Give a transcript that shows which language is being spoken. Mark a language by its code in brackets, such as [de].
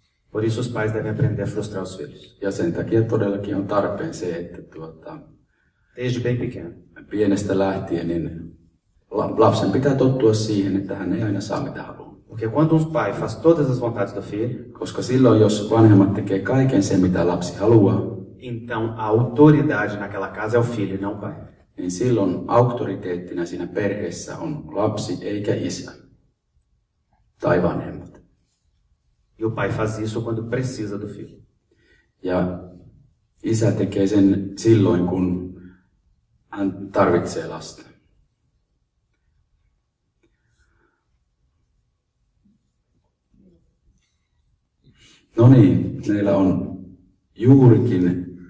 [pt] Por isso os pais devem aprender a frustrar os filhos. [fi] Ja sen takia todellakin on tarpeen se, että [pt] desde bem pequeno. [fi] Pienestä lähtien, niin lapsen pitää tottua siihen, että hän ei aina saa mitä haluaa. [pt] Porque quando um pai faz todas as vontades do filho, [fi] koska silloin jos vanhemmat tekee kaiken sen, mitä lapsi haluaa, [pt] então a autoridade naquela casa é o filho, não pai. [fi] Niin silloin auktoriteettina siinä perheessä on lapsi eikä isä tai vanhemmat. [pt] E o pai faz isso quando precisa do filho. [fi] Ja isä tekee sen silloin, kun hän tarvitsee lasta. No niin, meillä on juurikin.